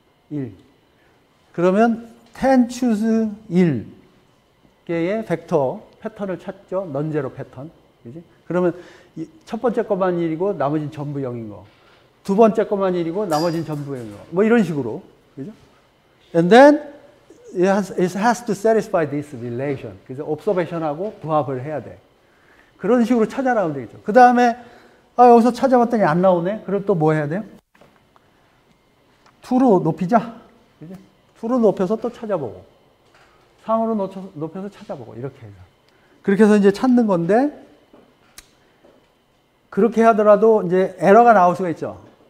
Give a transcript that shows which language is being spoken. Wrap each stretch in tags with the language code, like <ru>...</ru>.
<ko>1. 그러면 10 choose 1 개의 벡터 패턴을 찾죠. 넌제로 패턴. 그지? 그러면 첫 번째 것만 1이고 나머지는 전부 0인 거. 두 번째 것만 1이고 나머지는 전부 0인 거. 뭐 이런 식으로. 그죠?</ko> <en>And then it has to satisfy this relation.</en> <ko>그래서 observation하고 부합을 해야 돼. 그런 식으로 찾아나오면 되겠죠. 그 다음에 아, 여기서 찾아봤더니 안 나오네. 그럼 또 뭐 해야 돼요? 2로 높이자. 그죠? 2로 높여서 또 찾아보고 3으로 높여서 찾아보고 이렇게 해서 그렇게 해서 이제 찾는 건데 그렇게 하더라도 이제 에러가 나올 수가 있죠.</ko>